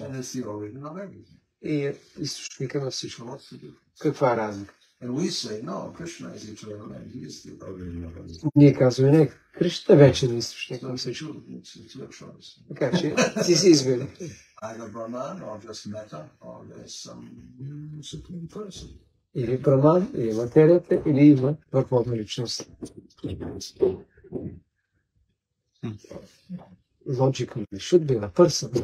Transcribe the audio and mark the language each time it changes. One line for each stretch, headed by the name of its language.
English: And it's the origin of everything.
Bulgarian: И източника на всичко. Каква е разлика?
English: And we say, no, Krishna is eternal and he is the origin of everything.
Bulgarian: Ние казваме, не, Кришна е вечен източник на всичко.
English: It's your choice.
Bulgarian: Така че, ти си избери.
English: Either Brahman or just matter or there's some supreme person.
Bulgarian: Или Брахман, или материята, или има върховна личност.
English: Logically, it should be a person.